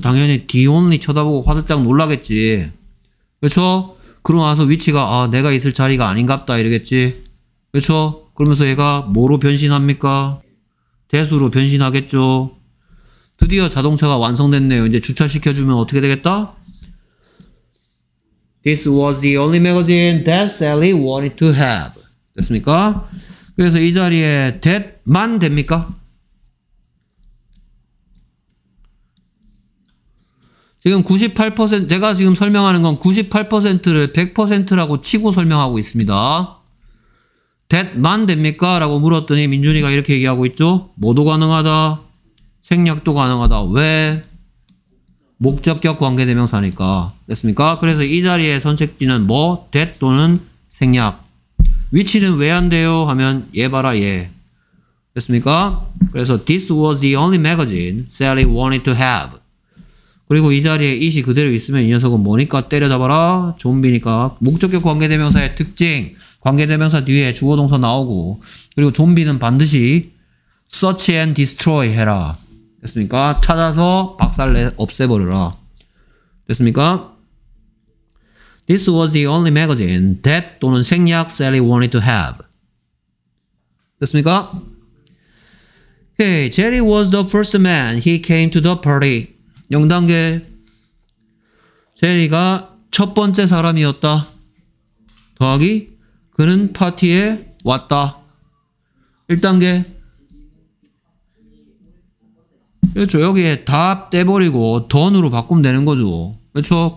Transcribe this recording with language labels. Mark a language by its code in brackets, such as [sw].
[ko] 당연히 디온이 쳐다보고 화들짝 놀라겠지. 그렇죠? 그러고 나서 위치가 아, 내가 있을 자리가 아닌갑다 이러겠지. 그렇죠? 그러면서 얘가 뭐로 변신합니까? 대수로 변신하겠죠. 드디어 자동차가 완성됐네요. 이제 주차시켜주면 어떻게 되겠다? [en] This was the only magazine that Sally wanted to have. [ko] 됐습니까? 그래서 이 자리에 that만 됩니까? 지금 98% 제가 지금 설명하는 건 98%를 100%라고 치고 설명하고 있습니다. that만 됩니까? 라고 물었더니 민준이가 이렇게 얘기하고 있죠. 모두 가능하다. 생략도 가능하다. 왜? 목적격 관계대명사니까. 됐습니까? 그래서 이 자리에 선택지는 뭐? that 또는 생략. 위치는 왜 안 돼요? 하면 얘 봐라 얘. 됐습니까? 그래서 [en] this was the only magazine Sally wanted to have. [ko] 그리고 이 자리에 it이 그대로 있으면 이 녀석은 뭐니까? 때려잡아라. 좀비니까. 목적격 관계대명사의 특징. 관계대명사 뒤에 주어동사 나오고, 그리고 좀비는 반드시 [en] search and destroy [ko] 해라. 됐습니까? 찾아서 박살 없애버려라. 됐습니까? [en] This was the only magazine that [ko] 또는 생략 [en] Sally wanted to have. [ko] 됐습니까? [en] Hey, Jerry was the first man he came to the party. [ko] 0단계. 제리가 첫 번째 사람이었다. 더하기 그는 파티에 왔다. 1단계. 그렇죠. 여기에 답 떼버리고 던으로 바꾸면 되는 거죠. 그렇죠.